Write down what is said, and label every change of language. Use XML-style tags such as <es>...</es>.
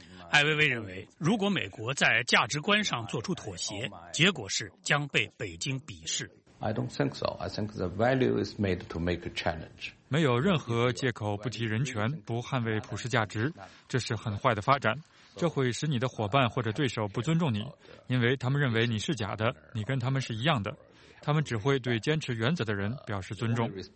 <zh>艾未未认为，如果美国在价值观上做出妥协，结果是将被北京鄙视。</zh> <en>I don't think so. I think the value is made to make a challenge.</en> <zh>没有任何借口不提人权，不捍卫普世价值，这是很坏的发展。这会使你的伙伴或者对手不尊重你，因为他们认为你是假的，你跟他们是一样的。他们只会对坚持原则的人表示尊重。</zh>